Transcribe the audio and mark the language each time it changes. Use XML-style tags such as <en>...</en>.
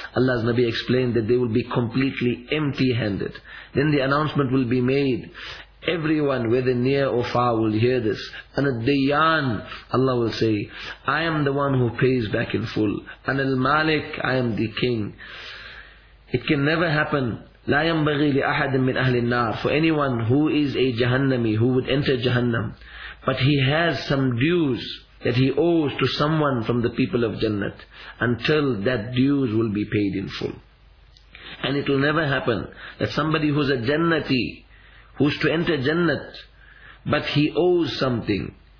<en>Allah's Nabi explained that they will be completely empty handed. Then the announcement will be made. Everyone, whether near or far, will hear this. An ad-dayyan, Allah will say, I am the one who pays back in full. An al-malik, I am the king. It can never happen.</en> <ar>لا ينبغي لأحد من أهل النار.</ar> <en>For anyone who is a jahannami, who would enter jahannam, but he has some dues that he owes to someone from the people of Jannat, until that dues will be paid in full. And it will never happen that somebody who's a Jannati, who's to enter Jannat, but he owes something.</en>